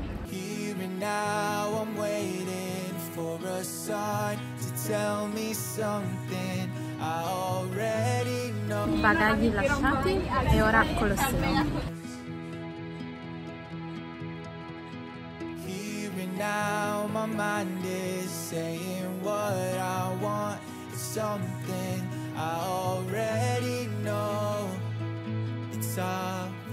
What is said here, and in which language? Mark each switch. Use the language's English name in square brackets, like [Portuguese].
[English] Here and now I'm waiting for a sign to tell me something I already know. [Italian] Bagagli lasciati e ora Colosseo. [English] Here and now my mind is saying what I want, something I already know. It's obvious.